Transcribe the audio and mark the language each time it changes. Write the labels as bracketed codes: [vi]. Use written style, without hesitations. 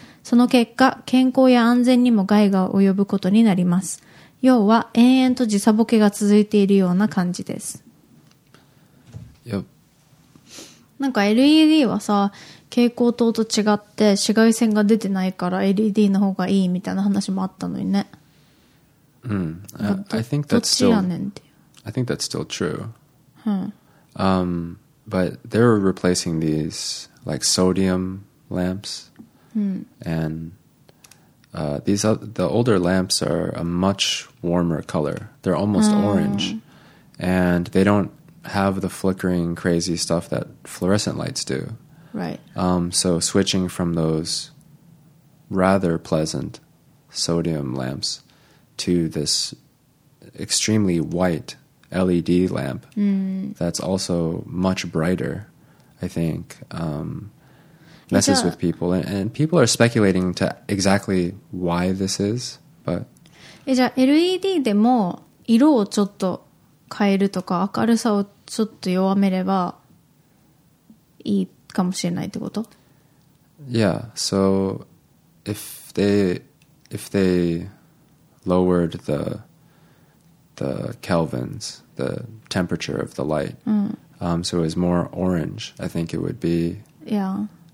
[ja] その結果、健康や安全にも害が及ぶことになります。要は延々と時差ボケが続いているような感じです。 [en] Yep. [ja] なんか LED はさ、蛍光灯と違って紫外線が出てないから LED の方がいいみたいな話もあったのにね。 [en] I think that's still I think that's still true. But they're replacing these like sodium lamps. And the older lamps are a much warmer color. They're almost orange. And they don't have the flickering crazy stuff that fluorescent lights do. Right. So switching from those rather pleasant sodium lamps to this extremely white LED lamp that's also much brighter, I think, messes with people. And people are speculating to exactly why this is, but... [ja] じゃあ LED でも色をちょっと変えるとか明るさをちょっと弱めればいいかもしれないってこと? [en] Yeah, so if they lowered the Kelvins, the temperature of the light, so it was more orange, I think it would be... Yeah.